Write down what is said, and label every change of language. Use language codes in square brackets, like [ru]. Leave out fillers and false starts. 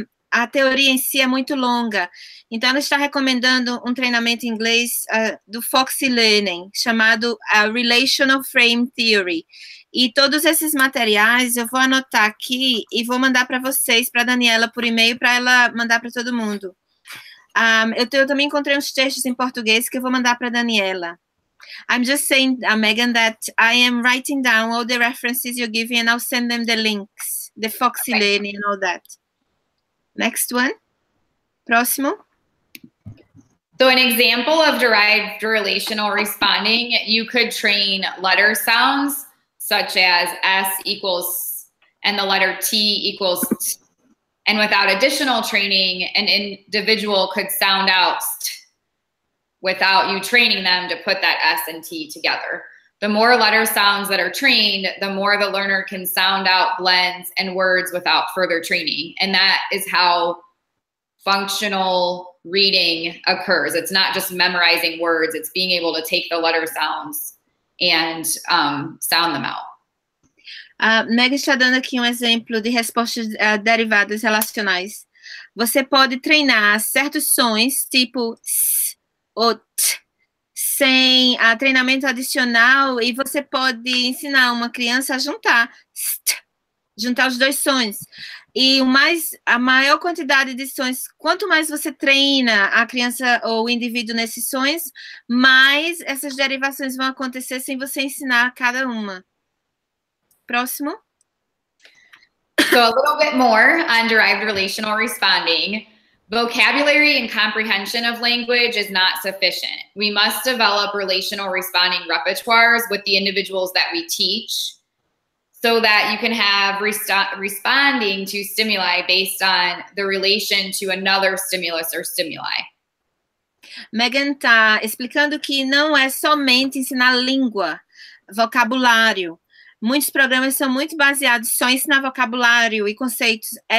[pt] A teoria em si é muito longa, então ela está recomendando um treinamento em inglês do Foxy Learning, chamado Relational Frame Theory. E todos esses materiais eu vou anotar aqui e vou mandar para vocês, para a Daniela, por e-mail, para ela mandar para todo mundo. Eu também encontrei uns textos em português que eu vou mandar para a Daniela. [en] I'm just saying, Megan, that I am writing down all the references you're giving and I'll send them the links, the Foxy Learning and all that. Next one. [pt] Próximo. [en] So an example of derived relational responding, you could train letter sounds such as S equals and the letter T equals T. And without additional training, an individual could sound out T without you training them to put that S and T together. The more letter sounds that are trained, the more the learner can sound out blends and words without further training. And that is how functional reading occurs. It's not just memorizing words, it's being able to take the letter sounds and sound them out. [pt] Meg está dando aqui exemplo de respostas derivadas relacionais. Você pode treinar certos sons, tipo s ou t, sem treinamento adicional, e você pode ensinar uma criança a juntar, juntar os dois sons. E a maior quantidade de sons, quanto mais você treina a criança ou o indivíduo nesses sons, mais essas derivações vão acontecer sem você ensinar cada uma. Próximo. [en] So a little bit more on derived relational responding. Vocabulary and comprehension of language is not sufficient. We must develop relational responding repertoires with the individuals that we teach so that you can have responding to stimuli based on the relation to another stimulus or stimuli. [pt] Megan está explicando que não é somente ensinar língua, vocabulário. Muitos programas são muito baseados só em ensinar vocabulário e conceitos.